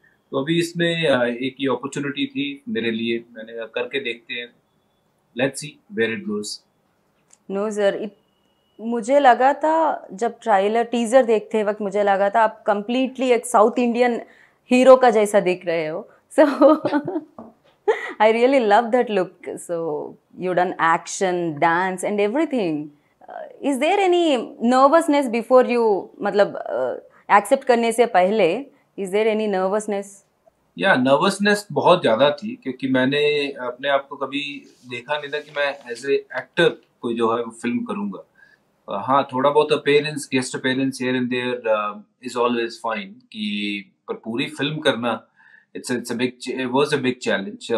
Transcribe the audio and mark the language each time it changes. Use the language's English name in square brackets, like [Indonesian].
[Hindi] तो अभी इसमें एक ही अपॉर्चुनिटी थी मेरे लिए, मैंने करके देखते हैं. [English] Let's see where it goes. No sir, [Hindi] मुझे लगा था जब ट्रायलर टीजर देखते वक्त मुझे लगा था आप completely एक साउथ इंडियन हीरो का जैसा दिख रहे हो. [English] So I really love that look. So you done action, dance and everything. Is there any nervousness before you, [Hindi] मतलब accept करने से पहले, [English] is there any nervousness? [Hindi] या नर्वसनेस बहुत ज्यादा थी क्योंकि मैंने अपने आप को कभी देखा नहीं था कि मैं [English] as a actor [Hindi] कोई जो है फिल्म करूंगा. हाँ, थोड़ा बहुत [English] appearance, guest appearance here and there is always fine, [Hindi] कि पर पूरी फिल्म करना [English] It was a big challenge.